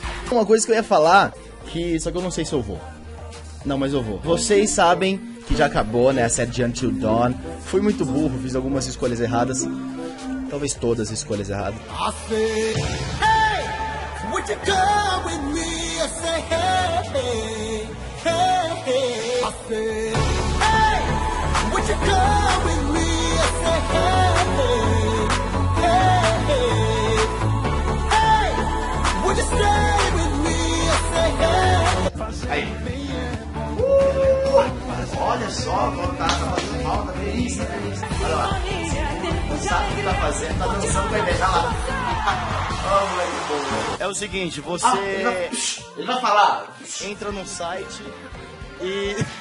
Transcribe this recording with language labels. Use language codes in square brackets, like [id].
[pt] Uma coisa que eu ia falar, que só que eu não sei se eu vou. Não, mas eu vou. Vocês sabem que já acabou, né? A série de Until Dawn. Fui muito burro, fiz algumas escolhas erradas. Talvez todas as escolhas erradas. [en] I say, hey, would you come with me? I say, hey, hey, hey. I say, hey, would you come with me? I say, hey, hey, hey, hey. Hey, would you stay with me? I say, hey, hey. [pt] Aí. Olha só, tá fazendo falta, delícia, delícia. Olha lá, sabe o que tá fazendo, tá dançando, vai beijar lá. É o seguinte, você... Ele vai falar. Entra no site e...